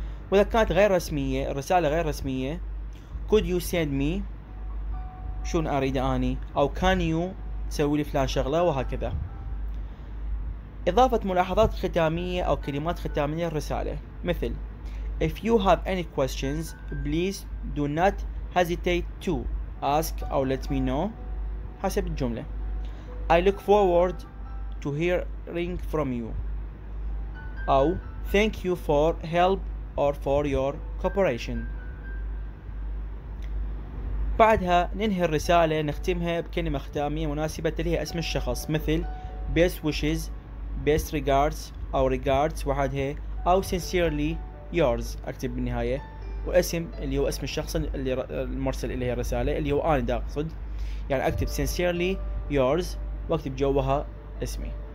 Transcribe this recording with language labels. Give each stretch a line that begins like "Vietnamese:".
Arabic: وإذا كانت غير رسمية، الرسالة غير رسمية،
English: could you send me،
Arabic: شون أريده آني، أو
English: can you
Arabic: تسوي لي فلان شغلة، وهكذا. إضافة ملاحظات ختامية أو كلمات ختامية للرسالة، مثل
English: if you have any questions please do not hesitate to ask or let me know،
Arabic: حسب الجملة.
English: I look forward to hearing from you،
Arabic: أو
English: thank you for help or for your cooperation.
Arabic: بعدها ننهي الرسالة، نختمها بكلمة ختامية مناسبة تليها اسم الشخص، مثل
English: best wishes، best regards،
Arabic: أو regards وحدها، أو
English: sincerely yours،
Arabic: أكتب بالنهاية واسم اللي هو اسم الشخص اللي المرسل إليه الرسالة اللي هو أنا أقصد، يعني أكتب sincerely yours وأكتب جوها اسمي.